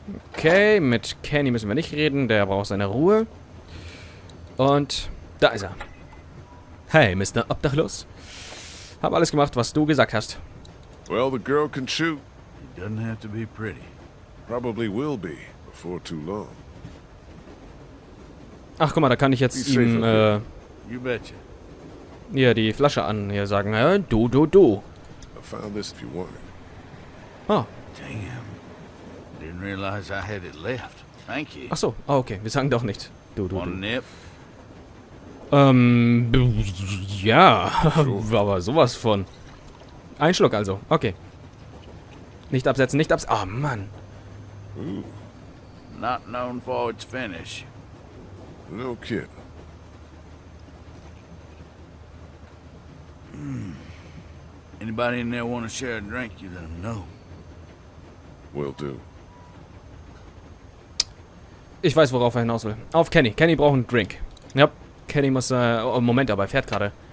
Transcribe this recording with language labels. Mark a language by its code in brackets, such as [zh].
[de] Okay, mit Kenny müssen wir nicht reden, der braucht seine Ruhe. Und da ist er. Hey, Mr. Obdachlos. Hab alles gemacht, was du gesagt hast. [en] Well, the girl can shoot. It doesn't have to be pretty. Probably will be, before too long. [de] Ach, guck mal, da kann ich jetzt [en] be [de] ihm, [en] You betcha. [de] Ja, die Flasche an hier sagen. Ja, du, du, du. [en] I found this if you want it. Oh. Damn. Didn't realize I had it left. Thank you. [de] Ach so, oh, okay, wir sagen doch nicht. Du, du, du. Ja, [en] sure. [de] Aber sowas von. Ein Schluck also, okay. Nicht absetzen, nicht abs... Oh, Mann. Ooh. [en] Not known for its finish. No kidding. Anybody in there want to share a drink, you let them know. Will do. [de] Ich weiß, worauf er hinaus will. Auf Kenny. Kenny braucht einen Drink. Yep. Kenny muss, oh, Moment, aber er fährt gerade.